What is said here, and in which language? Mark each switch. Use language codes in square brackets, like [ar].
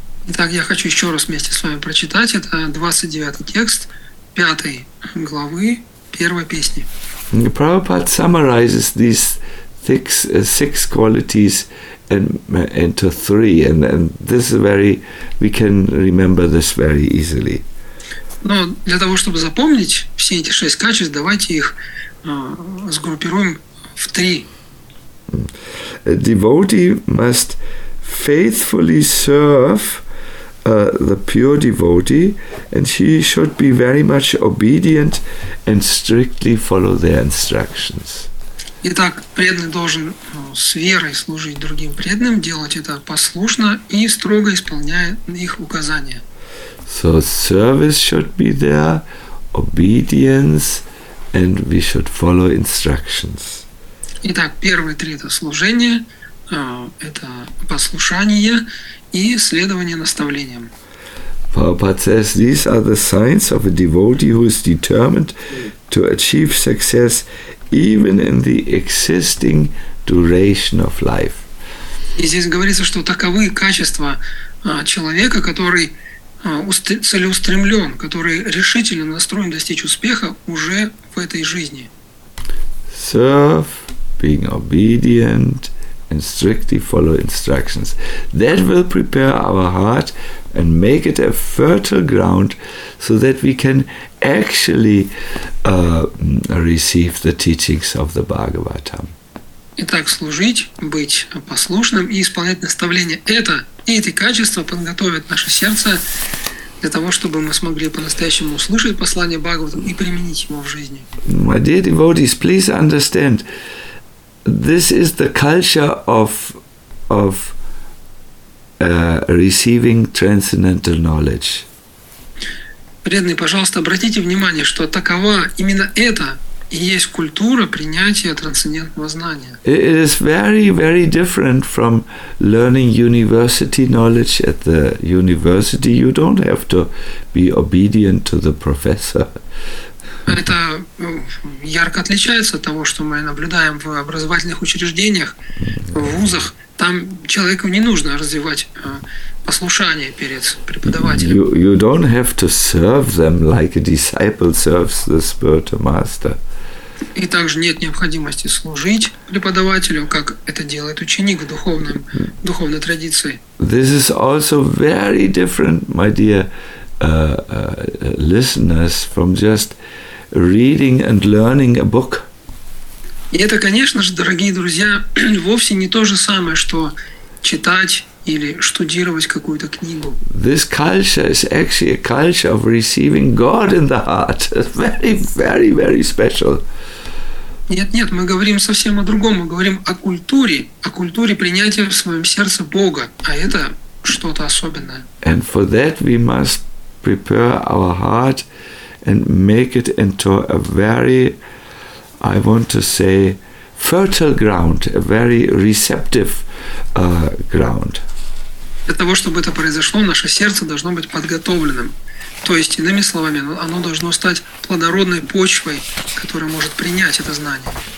[ru] Итак, я хочу еще раз вместе с вами прочитать. Это 29 текст, 5 главы, 1 песни. [en] Prabhupada summarizes these six qualities into three, and this is very, we can remember this very easily. [ru] Но для того, чтобы запомнить все эти шесть качеств, давайте их сгруппируем в три. [en] A devotee must faithfully serve the pure devotee, and he should be very much obedient and strictly follow their instructions. [ru] Итак, преданный должен с верой служить другим преданным, делать это послушно и строго исполняя их указания. [en] So service should be there, obedience, and we should follow instructions. [ru] Итак, первые три – это служение, это послушание и следование наставлениям. [en] Prabhupada says, these are the signs of a devotee who is determined to achieve success even in the existing duration of life. [ru] И здесь говорится, что таковы качества человека, который целеустремлен, который решительно настроен достичь успеха уже в этой жизни. [en] Serve, being obedient, and strictly follow instructions. That will prepare our heart and make it a fertile ground so that we can actually receive the teachings of the Bhagavatam. [ru] Итак, служить, быть послушным и исполнять наставления – это и эти качества подготовят наше сердце для того, чтобы мы смогли по-настоящему услышать послание Бхагавата и применить его в жизни. [en] My dear devotees, please understand, this is the culture of receiving transcendental knowledge. [ru] Преданные, пожалуйста, обратите внимание, что такова именно это. И есть культура принятия трансцендентного знания. [en] It is very, very different from learning university knowledge at the university. You don't have to be obedient to the professor. [ru] Это ярко отличается от того, что мы наблюдаем в образовательных учреждениях, в вузах. Там человеку не нужно развивать послушание перед преподавателем. [en] You don't have to serve them like a disciple serves the spiritual master. [ru] И также нет необходимости служить преподавателю, как это делает ученик в духовной традиции. [en] This is also very different, my dear listeners, from just reading and learning a book. [ru] И это, конечно же, дорогие друзья, вовсе не то же самое, что читать или штудировать какую-то книгу. [en] This culture is actually a culture of receiving God in the heart. It's very, very, very special. [ru] Нет, мы говорим совсем о другом. Мы говорим о культуре принятия в своем сердце Бога. А это что-то особенное. [en] And for that we must prepare our heart and make it into a very, I want to say, fertile ground, a very receptive ground. [ru] Для того, чтобы это произошло, наше сердце должно быть подготовленным. То есть, иными словами, оно должно стать плодородной почвой, которая может принять это знание.